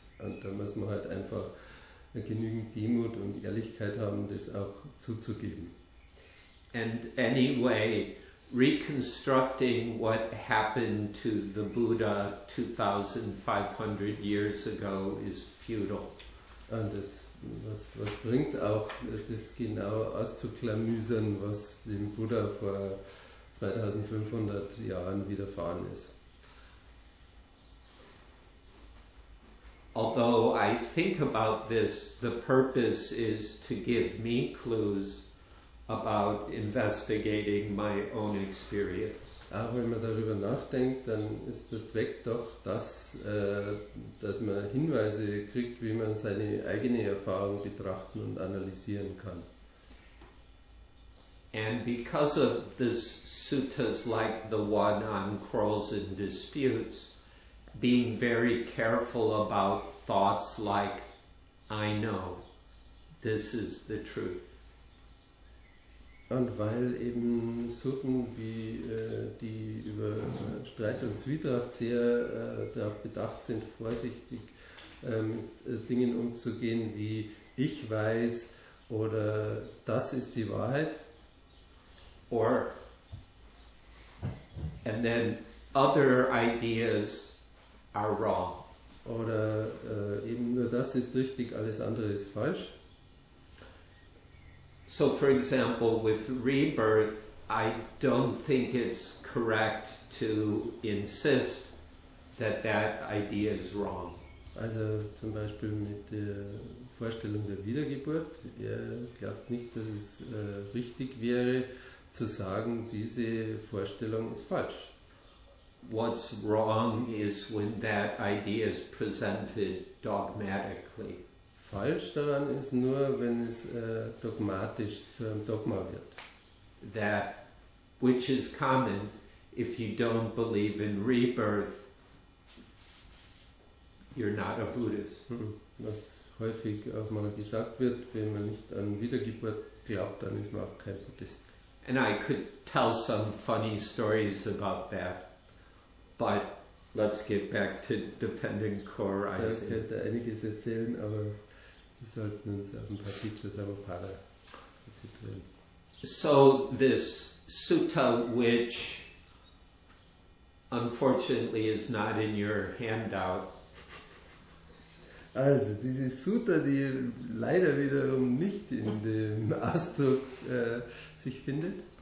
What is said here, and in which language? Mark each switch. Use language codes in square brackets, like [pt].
[de] Und da muss man halt einfach genügend Demut und Ehrlichkeit haben, das auch zuzugeben. [en] And anyway, reconstructing what happened to the Buddha 2500 years ago is futile. [de] Und das, was bringt es auch, das genau auszuklamüsern, was dem Buddha vor 2500 Jahren widerfahren ist. [en] Although I think about this, the purpose is to give me clues about investigating my own experience. [de] Auch wenn man darüber nachdenkt, dann ist der Zweck doch das, dass man Hinweise kriegt, wie man seine eigene Erfahrung betrachten und analysieren kann. [en] And because of this suttas like the one on quarrels and disputes, being very careful about thoughts like, I know, this is the truth. [de] Und weil eben Sutten, wie die über Streit und Zwietracht sehr darauf bedacht sind, vorsichtig mit Dingen umzugehen wie, ich weiß oder das ist die Wahrheit. [en] Or, and then other ideas are wrong. [de] Oder eben nur das ist richtig, alles andere ist falsch. [en] So for example, with rebirth, I don't think it's correct to insist that that idea is wrong. [de] Also zum Beispiel mit der Vorstellung der Wiedergeburt, er glaubt nicht, dass es richtig wäre, zu sagen, diese Vorstellung ist falsch. [en] What's wrong is when that idea is presented dogmatically. [de] Falsch daran ist nur, wenn es dogmatisch zu einem Dogma wird. [en] That, which is common, if you don't believe in rebirth, you're not a Buddhist. [de] Was häufig auch mal gesagt wird, wenn man nicht an Wiedergeburt glaubt, dann ist man auch kein Buddhist. [en] And I could tell some funny stories about that, but let's get back to dependent core rising. [de] Ich könnte einiges erzählen, aber wir sollten uns auf ein paar Teachers aber paar erzählen. [en] So this sutta, which unfortunately is not in your handout. [de] Also diese Sutta, die leider wiederum nicht in dem Ausdruck sich findet.